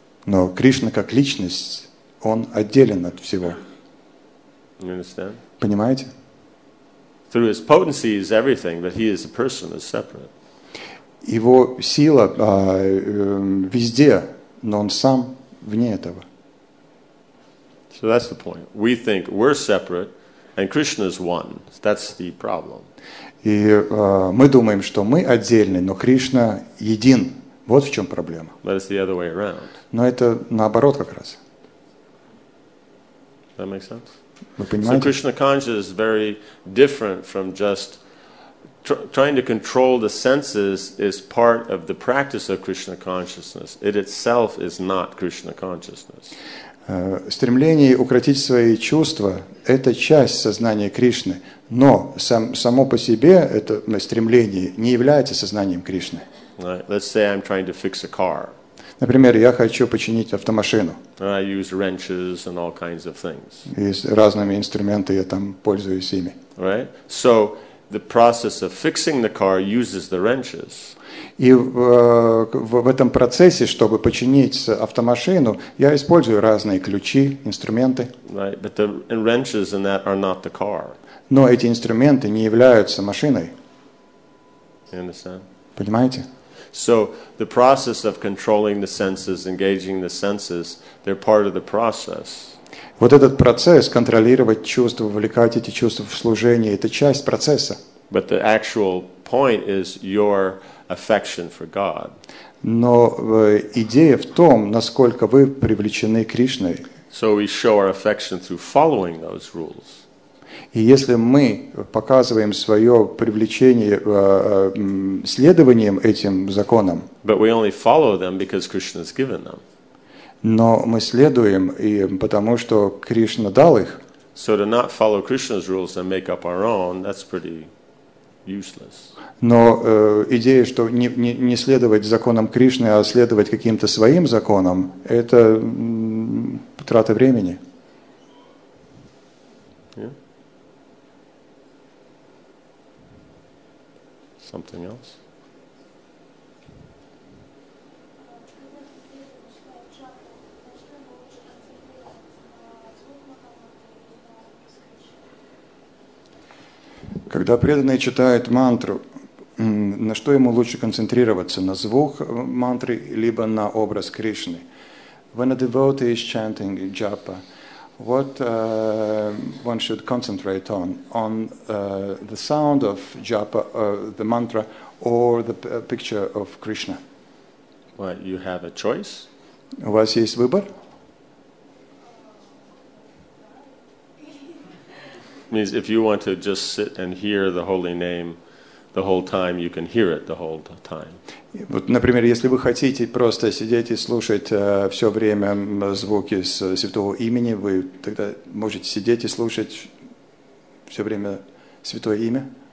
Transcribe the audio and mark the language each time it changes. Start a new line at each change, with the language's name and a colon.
Russian: Но Кришна как личность, он отделен от всего.
English: You understand?
Russian: Понимаете?
English: Through his potency is everything, but he is a person is separate.
Russian: Его сила везде, но он сам вне этого.
English: So that's the point. We think we're separate, and Krishna is one. That's the problem.
Russian: И мы думаем, что мы отдельны, но Кришна един. Вот в чем проблема.
English: But it's the other way around.
Russian: Но это наоборот как раз.
English: That makes sense?
Russian: Вы понимаете?
English: So Krishna consciousness is very different from just trying to control the senses is part of the practice of Krishna consciousness. It itself is not Krishna consciousness.
Russian: Стремление укротить свои чувства – это часть сознания Кришны, но само по себе это стремление не является сознанием Кришны.
English: Right. Let's say I'm trying to fix a car.
Russian: Например, я хочу починить автомашину.
English: I use wrenches and all kinds of things.
Russian: И с разными инструментами я там пользуюсь ими.
English: Right? So the process of fixing the car uses the wrenches.
Russian: И в этом процессе, чтобы починить автомашину, я использую разные ключи, инструменты.
English: Right? But the wrenches and that are not the car.
Russian: Но эти инструменты не являются машиной.
English: You understand?
Russian: Понимаете?
English: So the process of controlling the senses, engaging the senses, they're part of the process.
Russian: Вот этот процесс контролировать чувства, вовлекать эти чувства в служение, это часть процесса.
English: But the actual point is your affection for God.
Russian: Но идея в том, насколько вы привлечены Кришной.
English: So we show our affection through following those rules.
Russian: И если мы показываем свое привлечение следованием этим законам,
English: but we only follow them because Krishna has given them.
Russian: Но мы следуем им, потому что Кришна дал их.
English: So to not follow Krishna's rules and make up our own, that's pretty useless.
Russian: Но идея, что не следовать законам Кришны, а следовать каким-то своим законам, это трата времени.
English: Yeah. Something else?
Russian: Когда преданный читает мантру, на что ему лучше концентрироваться? На звук мантры, либо на образ Кришны?
English: When a devotee is chanting japa, what one should concentrate on the sound of japa, the mantra, or the picture of Krishna? Well, you have a choice.
Russian: У вас есть выбор?
English: Means if you want to just sit and hear the holy name the whole time, you can hear it the whole time.
Russian: Вот, например, если вы хотите просто сидеть и слушать все время звуки святого имени, вы тогда можете сидеть и слушать все время святое имя.